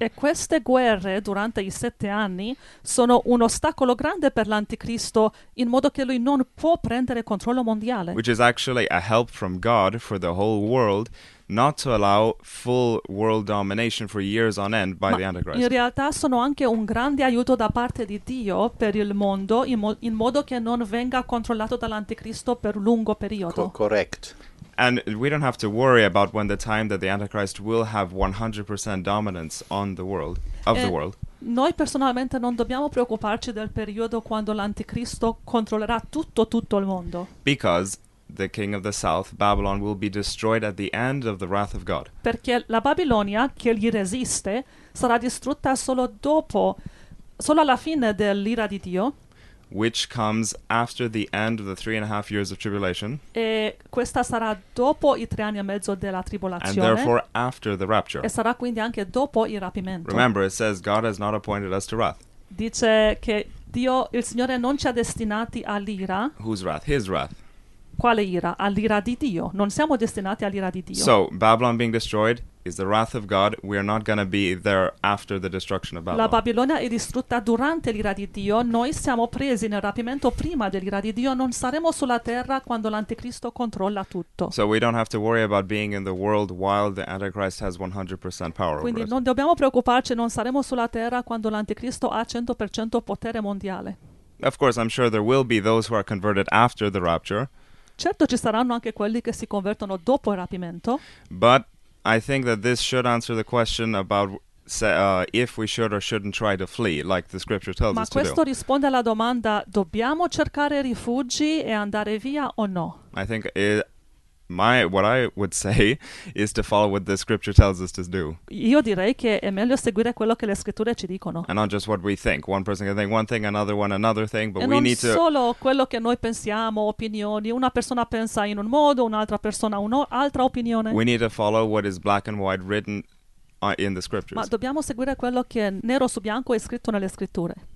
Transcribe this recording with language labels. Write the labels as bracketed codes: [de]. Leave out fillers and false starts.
[it] E queste guerre durante i sette anni sono un ostacolo grande per l'anticristo in modo che lui non può prendere controllo mondiale. [en] Which is actually a help from God for the whole world not to allow full world domination for years on end by the Antichrist. [it] In realtà sono anche un grande aiuto da parte di Dio per il mondo in modo che non venga controllato dall'anticristo per lungo periodo. [en] Correct. And we don't have to worry about when the time that the Antichrist will have 100% dominance on the world, of the world. [it] Noi personalmente non dobbiamo preoccuparci del periodo quando l'anticristo controllerà tutto il mondo. [en] Because the king of the south, Babylon, will be destroyed at the end of the wrath of God. [it] Perché la Babilonia che gli resiste sarà distrutta solo alla fine dell'ira di Dio. [en] Which comes after the end of the 3.5 years of tribulation. [it] E questa sarà dopo i 3 anni e mezzo della tribolazione. [en] And therefore after the rapture. [it] E sarà quindi anche dopo il rapimento. [en] Remember, it says God has not appointed us to wrath. [it] Dice che Dio, il Signore, non ci ha destinati all'ira. [en] Whose wrath? His wrath. [it] Quale ira? All'ira di Dio. Non siamo destinati all'ira di Dio. [en] So, Babylon being destroyed is the wrath of God. We are not going to be there after the destruction of Babylon. [it] La Babilonia è distrutta durante l'ira di Dio. Noi siamo presi nel rapimento prima dell'ira di Dio. Non saremo sulla terra quando l'anticristo controlla tutto. [en] So we don't have to worry about being in the world while the Antichrist has 100% power. [it] Quindi non dobbiamo preoccuparci. Non saremo sulla terra quando l'anticristo ha 100% potere mondiale. [en] Of course, I'm sure there will be those who are converted after the rapture. [it] Certo, ci saranno anche quelli che si convertono dopo il rapimento. [en] But I think that this should answer the question about if we should or shouldn't try to flee, like the scripture tells us to do. [it] Ma questo risponde alla domanda, dobbiamo cercare rifugi e andare via o no? [en] I think what I would say is to follow what the scripture tells us to do. [it] Io direi che è meglio seguire quello che le scritture ci dicono. [en] And not just what we think. One person can think one thing, another one another thing, but we need to... [it] E non solo quello che noi pensiamo, opinioni. Una persona pensa in un modo, un'altra persona un'altra opinione. [en] We need to follow what is black and white written in the scriptures. [it] Ma dobbiamo seguire quello che nero su bianco è scritto nelle scritture.